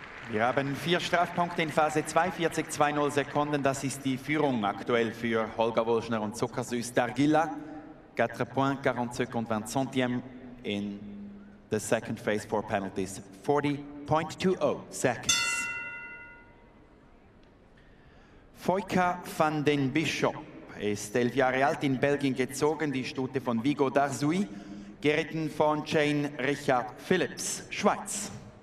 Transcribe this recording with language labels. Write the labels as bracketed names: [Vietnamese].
[German] Wir haben 4 Strafpunkte in Phase 2, 40, 2,0 Sekunden. Das ist die Führung aktuell für Holger Wolschner und Zuckersüß Dargilla. [English] 4 points, [German] 40 Sekunden, [English] 20 Centimes in the second phase for penalties. 40.20 seconds. [German] Foyka van den Bischop ist 11 Jahre alt, in Belgien gezogen, die Stute von Vigo Darzouy, geritten von Jane Richard Phillips, Schweiz.